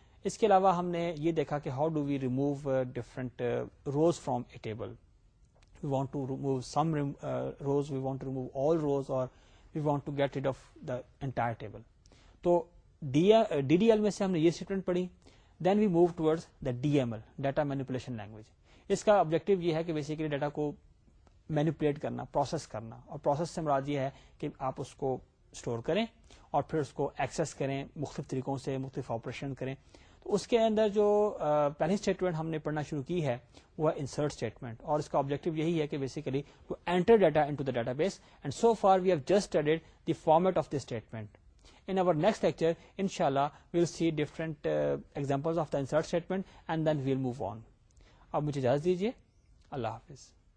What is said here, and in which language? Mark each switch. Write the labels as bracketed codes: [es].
[ur] اس کے علاوہ ہم نے یہ دیکھا کہ [en] How do we remove different rows from a table, we want to remove some rows, we want to remove all rows, اور we want to get rid of the entire table. [ur] تو D D L میں سے ہم نے یہ statement پڑھی. [en] Then we move towards the D M L, data manipulation language. [ur] اس کا objective یہ ہے کہ بیسیکلی ڈیٹا کو مینیپولیٹ کرنا, پروسیس کرنا, اور پروسیس سے مراد یہ ہے کہ آپ اس کو اسٹور کریں اور پھر اس کو ایکسیس کریں مختلف طریقوں سے, مختلف آپریشن کریں. تو اس کے اندر جو پہلی اسٹیٹمنٹ ہم نے پڑھنا شروع کی ہے وہ ہے انسرٹ اسٹیٹمنٹ, اور اس کا آبجیکٹو یہی ہے کہ basically [en] To enter data into the database. And so for we have just studied the format of the statement. In our next lecture, inshallah, we'll see different examples of the insert statement and then we'll move on. [ur] Ab mujhe ijazat dijiye. [en] Allah Hafiz.